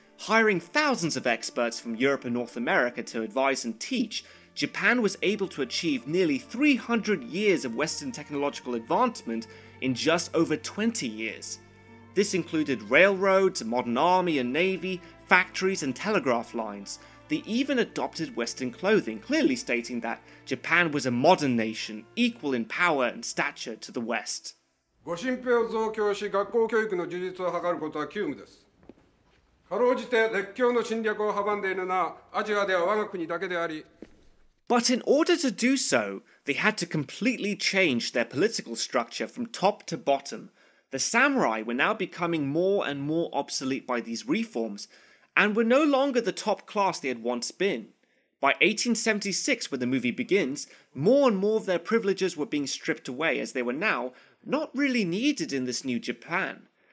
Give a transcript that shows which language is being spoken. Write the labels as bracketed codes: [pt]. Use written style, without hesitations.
[en] Hiring thousands of experts from Europe and North America to advise and teach, Japan was able to achieve nearly 300 years of Western technological advancement in just over 20 years. This included railroads, a modern army and navy, factories and telegraph lines. They even adopted Western clothing, clearly stating that Japan was a modern nation, equal in power and stature to the West. [ja] ご身辺を増強し、学校教育の充実を図ることは急務です。かろうじて列強の侵略を阻んでいるのはアジアでは我が国だけであり。 [en] But in order to do so, they had to completely change their political structure from top to bottom. The samurai were now becoming more and more obsolete by these reforms, and were no longer the top class they had once been. By 1876, when the movie begins, more and more of their privileges were being stripped away as they were now not really needed in this new Japan.